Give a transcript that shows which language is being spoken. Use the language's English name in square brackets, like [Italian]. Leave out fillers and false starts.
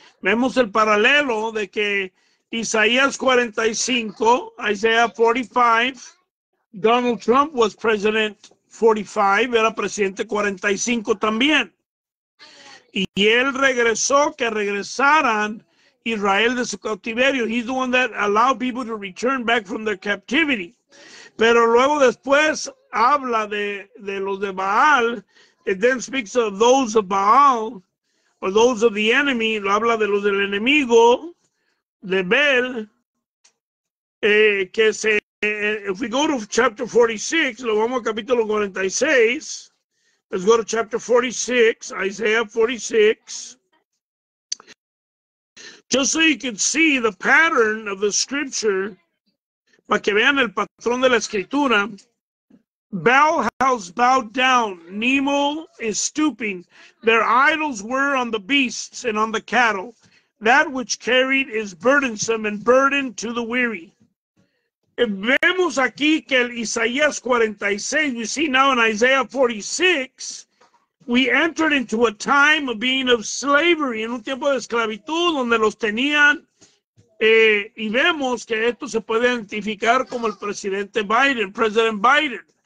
[Spanish] Vemos el paralelo de que Isaías 45, Isaiah 45, [English] Donald Trump was president 45, [Spanish] era presidente 45 también. Y él regresó, que regresaran Israel de su cautiverio. [English] He's the one that allowed people to return back from their captivity. [Spanish] Pero luego después habla de los de Baal. [English] It then speaks of those of Baal, or those of the enemy, [Spanish] lo habla de los del enemigo, de Bel, que se, [English] if we go to chapter 46, [Spanish] lo vamos a capítulo 46, [English] let's go to chapter 46, Isaiah 46, just so you can see the pattern of the scripture, [Spanish] para que vean el patrón de la escritura. [English] Baal has bowed down. Nemo is stooping. Their idols were on the beasts and on the cattle. That which carried is burdensome and burden to the weary. [Spanish] Vemos aquí que el Isaías 46, [English] we see now in Isaiah 46, we entered into a time of being of slavery, [Spanish] en un tiempo de esclavitud, donde los tenían, y vemos que esto se puede identificar como el presidente Biden, President Biden.